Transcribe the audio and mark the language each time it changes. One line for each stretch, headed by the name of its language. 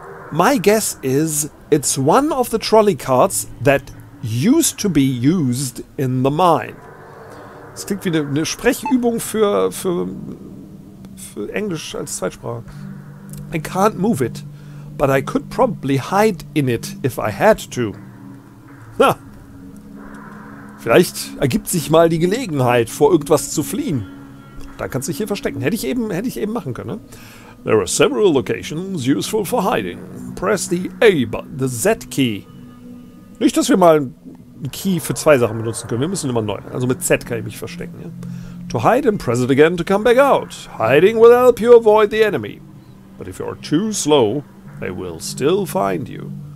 English: My guess is, it's one of the trolley carts that used to be used in the mine.
German: Das klingt wie eine Sprechübung für Englisch als Zweitsprache.
English: I can't move it, but I could probably hide in it if I had to.
German: Na, vielleicht ergibt sich mal die Gelegenheit, vor irgendwas zu fliehen. Dann kannst du dich hier verstecken. Hätte ich eben machen können.
English: There are several locations useful for hiding. Press the A button, the Z key.
German: Nicht, dass wir mal einen Key für zwei Sachen benutzen können. Wir müssen immer neu. Also mit Z kann ich mich verstecken. Ja?
English: To hide and press it again to come back out. Hiding will help you avoid the enemy. But if you are too slow, they will still find you.